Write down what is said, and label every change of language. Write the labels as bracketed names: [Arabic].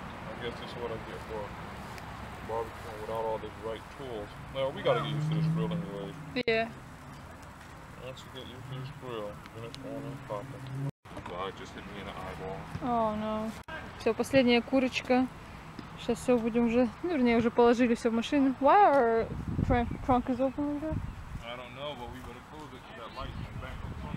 [English] I guess this is what I get for barbecuing without all the right tools. Well, we gotta get used to this grill anyway. Yeah. Once you get used to this grill, then it's on and popping. God, it just hit me in the eyeball. Oh no. [Russian] Все, последняя курочка. Сейчас все будем уже, ну, вернее, уже положили все в машину. [English] Why our trunk is open like that? I don't know, but we better close it because that light came back on.